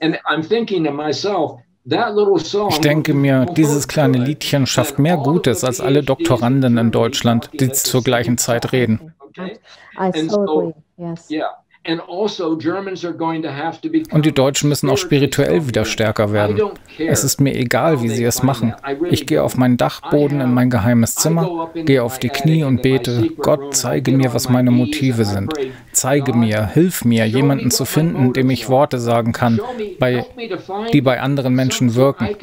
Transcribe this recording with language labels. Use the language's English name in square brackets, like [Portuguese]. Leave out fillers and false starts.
[English] And I'm thinking to myself, that little song. [German] Ich denke mir, dieses kleine Liedchen schafft mehr Gutes als alle Doktoranden in Deutschland, die zur gleichen Zeit reden. [English] Okay? I so agree. Yes. Yeah. And also Germans are going to have to become. [German] Und die Deutschen müssen auch spirituell wieder stärker werden. Es ist mir egal, wie sie es machen. Ich gehe auf meinen Dachboden in mein geheimes Zimmer, gehe auf die Knie und bete, Gott, zeige mir, was meine Motive sind. Zeige mir, hilf mir, jemanden zu finden, dem ich Worte sagen kann, die bei anderen Menschen wirken.